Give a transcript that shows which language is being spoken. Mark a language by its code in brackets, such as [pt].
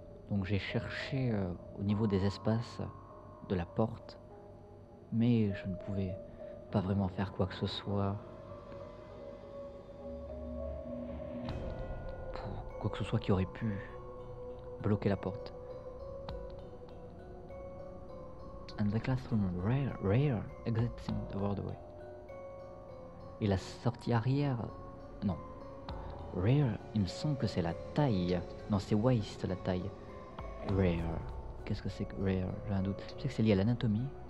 [fr] Donc j'ai cherché au niveau des espaces de la porte, mais je ne pouvais pas vraiment faire quoi que ce soit. Quoi que ce soit qui aurait pu bloquer la porte. [en] And the classroom rear exits in the roadway. [fr] Et la sortie arrière... Non. Rear, il me semble que c'est la taille. Non, c'est waist, la taille. Rear. Qu'est-ce que c'est que rear? J'ai un doute. Je sais que c'est lié à l'anatomie.